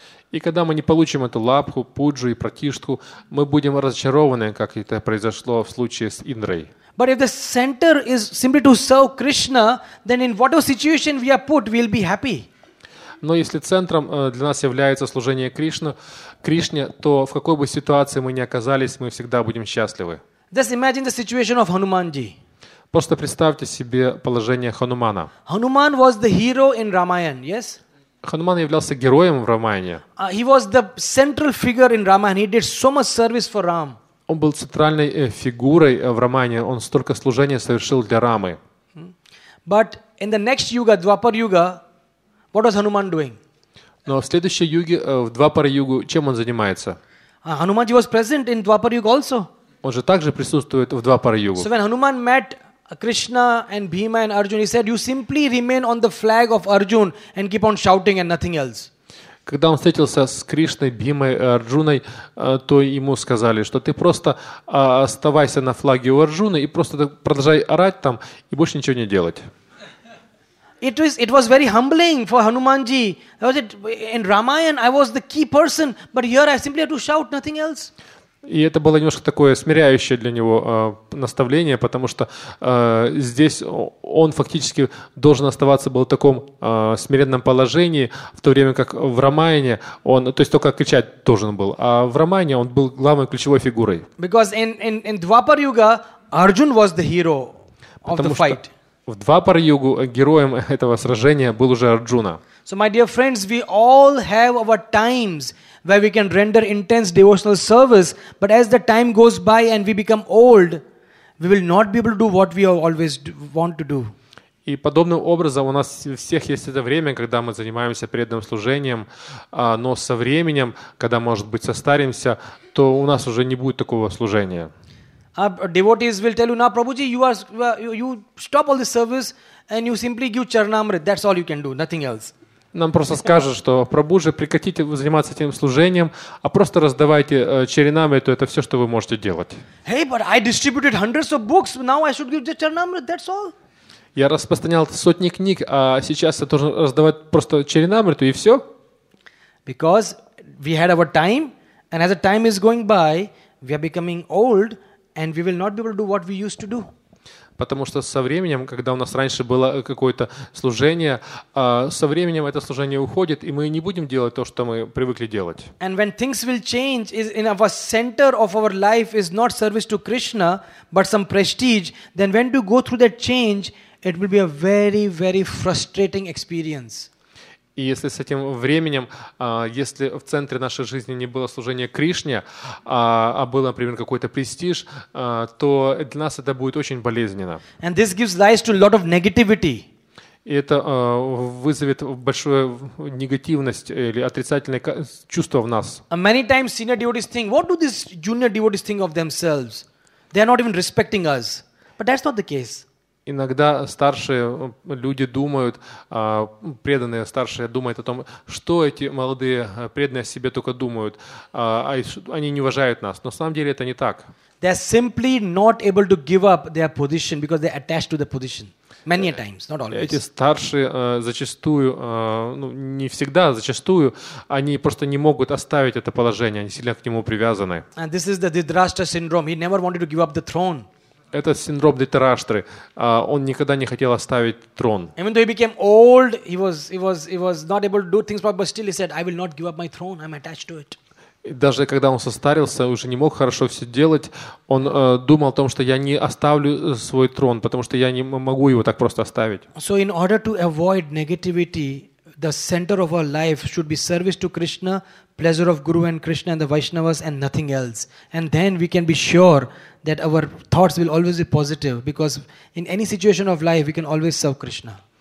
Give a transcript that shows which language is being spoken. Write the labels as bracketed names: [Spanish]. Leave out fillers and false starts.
[Russian] И когда мы не получим эту лабху, пуджу и пратиштху, мы будем разочарованы, как это произошло в случае с Индрой. [English] But if the center is simply to serve Krishna, then in whatever situation we are put, we'll be happy. [Russian] Но если центром для нас является служение Кришне, то в какой бы ситуации мы ни оказались, мы всегда будем счастливы. [English] Just imagine the situation of Hanumanji. [Russian] Просто представьте себе положение Ханумана. [English] Hanuman was the hero in Ramayana, yes? [Russian] Хануман являлся героем в Рамаяне. [English] He was the central figure in Ramayana. He did so much service for Ram. [Russian] Он был центральной фигурой в Рамаяне. Он столько служения совершил для Рамы. [English] But in the next Yuga, Dwapar Yuga, what was Hanuman doing? [Russian] Но в следующей юге, в Двапара Югу, чем он занимается? [English] Hanumanji was present in Dwapar Yuga also. [Russian] Он же также присутствует в Двапара Югу. [English] So when Hanuman met Krishna and Bhima and Arjun, he said, "You simply remain on the flag of Arjun and keep on shouting and nothing else." [Russian] Когда он встретился с Кришной, Бхимой, Арджуной, то ему сказали, что ты просто оставайся на флаге у Арджуны и просто продолжай орать там и больше ничего не делать. [English] It was very humbling for Hanumanji. Was it in Ramayana? I was the key person, but here I simply had to shout, nothing else. [Russian] И это было немножко такое смиряющее для него наставление, потому что здесь он фактически должен оставаться был в таком смиренном положении, в то время как в Рамаяне он, то есть только кричать должен был, а в Рамаяне он был главной ключевой фигурой. [English] Because in Dwapar Yuga, Arjun was the hero of the fight. [Russian] В Двапар-югу героем этого сражения был уже Арджуна. [English] So, my dear friends, we all have our times where we can render intense devotional service, but as the time goes by and we become old, we will not be able to do what we always want to do. [Russian] И подобным образом у нас у всех есть это время, когда мы занимаемся преданным служением, но со временем, когда, может быть, состаримся, то у нас уже не будет такого служения. [English] Devotees will tell you, "Now, Prabhuji, you stop all the service and you simply give charanamrit. That's all you can do, nothing else." [Russian] Нам просто скажут, что Прабхуджи, прекратите заниматься этим служением, а просто раздавайте чаринамриту, это все, что вы можете делать. [English] Hey, but I distributed hundreds of books. Now I should give the charanamrit. That's all. [Russian] Я распространял сотни книг, а сейчас я должен раздавать просто чаринамриту и все? [English] Because we had our time, and as the time is going by, we are becoming old. And we will not be able to do what we used to do. [Russian] Потому что со временем, когда у нас раньше было какое-то служение, со временем это служение уходит, и мы не будем делать то, что мы привыкли делать. [English] And when things will change, is in our center of our life is not service to Krishna, but some prestige. Then when you go through that change, it will be a very, very frustrating experience. [Russian] И если с этим временем, если в центре нашей жизни не было служения Кришне, а был, например, какой-то престиж, то для нас это будет очень болезненно. [English] And this gives rise to a lot of negativity. [Russian] И это вызовет большую негативность или отрицательное чувство в нас. [English] Many times senior devotees think, what do these junior devotees think of themselves? They are not even respecting us. But that's not the case. [Russian] Иногда старшие люди думают, преданные старшие думают о том, что эти молодые преданные о себе только думают, а они не уважают нас. Но на самом деле это не так. [English] They are simply not able to give up their position because they attached to the position. Many times, not always. [Russian] Эти старшие зачастую, ну, не всегда, зачастую, они просто не могут оставить это положение, они сильно к нему привязаны. [English] And this is the Dhritarashtra syndrome. He never wanted to give up the throne. [Russian] Это синдром Дхритарашты. Он никогда не хотел оставить трон. [English] Even though he became old, he was not able to do things, but still he said, I will not give up my throne. I'm attached to it. [Russian] Даже когда он состарился, уже не мог хорошо все делать, он думал о том, что я не оставлю свой трон, потому что я не могу его так просто оставить. [English] So in order to avoid negativity, the center of our life should be service to Krishna, pleasure of Guru and Krishna and the Vaishnavas and nothing else. And then we can be sure that our thoughts will always be positive because in any situation of life we can always serve Krishna.